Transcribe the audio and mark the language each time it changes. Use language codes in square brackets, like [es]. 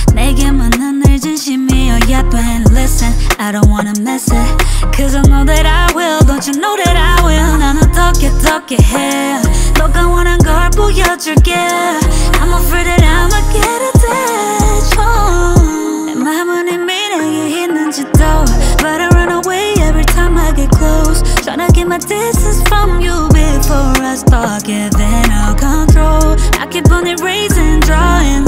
[ko] 내게만은 늘 진심이어야 돼. [en] Listen, I don't wanna mess it, cause I know that I will. Don't you know that I will. [ko] 난 어떻게 어떻게 해, 너가 원한 걸 보여줄게. [en] I'm afraid that I'm a get attached. [ko] Oh, 내 맘은 이미 내게 있는지도. [en] But I run away every time I get close, tryna get my distance from you before I start giving up control. I keep on erasing, drawing.